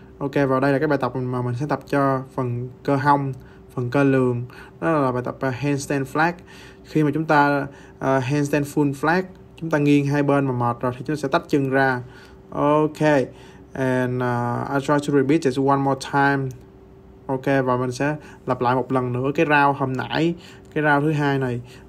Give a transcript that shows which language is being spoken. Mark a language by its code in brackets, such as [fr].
[vi] Okay, và đây là cái bài tập mà mình sẽ tập cho phần cơ hông, phần cơ lường. Đó là bài tập handstand flag. Khi mà chúng ta handstand full flag, chúng ta nghiêng hai bên mà mệt rồi thì chúng ta sẽ tách chân ra. [en] Okay, and I try to repeat it one more time. [vi] Okay, và mình sẽ lặp lại một lần nữa cái round hôm nãy, cái round thứ hai này.